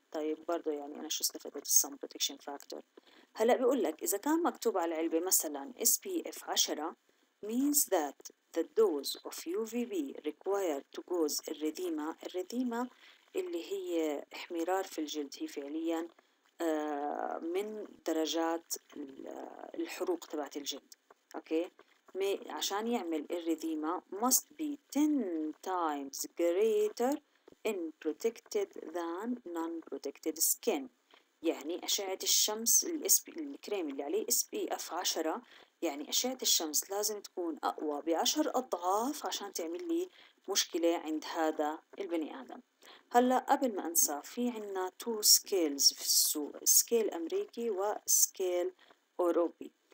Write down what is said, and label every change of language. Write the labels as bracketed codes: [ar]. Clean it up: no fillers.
[ar] طيب برضو يعني انا شو استفدت السان بروتكشن فاكتور؟ هلا بيقول لك اذا كان مكتوب على العلبه مثلا SPF 10 [en] means that the dose of UVB required to cause [ar] الرديمه. الرديمه اللي هي احمرار في الجلد هي فعليا من درجات الحروق تبعت الجلد. اوكي، عشان يعمل الرديمه [en] must be 10 times greater in protected than non protected skin. [ar] يعني أشعة الشمس الكريم اللي عليه SPF 10، يعني أشعة الشمس لازم تكون أقوى بعشر أضعاف عشان تعمل لي مشكلة عند هذا البني آدم. هلأ قبل ما أنسى، في عنا 2 scales في السوق، سكيل أمريكي وسكيل أوروبي.